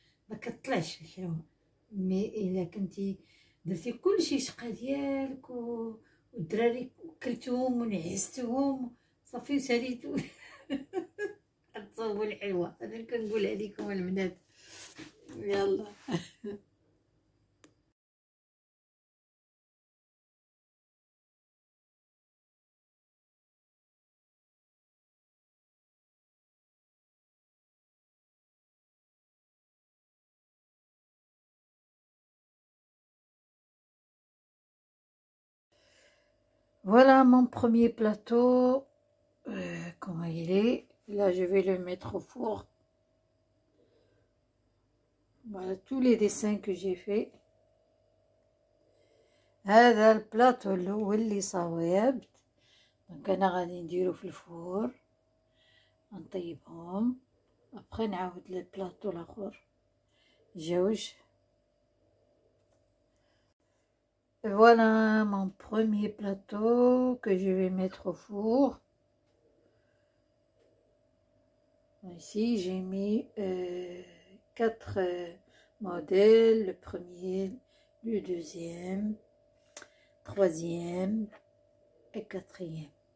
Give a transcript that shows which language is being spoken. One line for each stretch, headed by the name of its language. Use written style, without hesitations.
Arabic: ما كطلعش الحلوه. مي الا كنتي درتي كل شيء شقه ديالك والدراري كلتهم ونعستهم صافي وساليتو تصوبوا الحلوه. انا اللي كنقولها لكم البنات.
French: يلا voilà mon premier plateau, comment il est là, je vais le mettre au four. Voilà tous les dessins que j'ai fait.
Arabic: هذا البلاطو الاول اللي صاوبت. دونك انا غادي نديرو في الفور نطيبهم ابخي نعاود البلاطو الاخر جوج.
French: Voilà mon premier plateau que je vais mettre au four. Ici, j'ai mis quatre modèles. Le premier, le deuxième, troisième et quatrième.